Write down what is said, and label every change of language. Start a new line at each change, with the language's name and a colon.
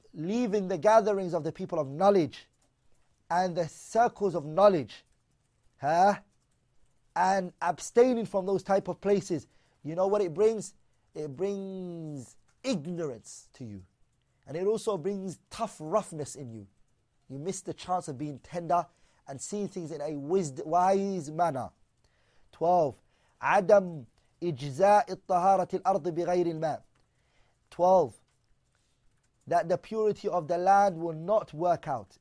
English: Leaving the gatherings of the people of knowledge and the circles of knowledge, and abstaining from those type of places, you know what it brings? It brings ignorance to you. And it also brings tough roughness in you. You miss the chance of being tender and seeing things in a wise manner. 12.
Arabic: عدم إجزاء الطهارة الأرض بغير الماء.
English: 12. That the purity of the land will not work out.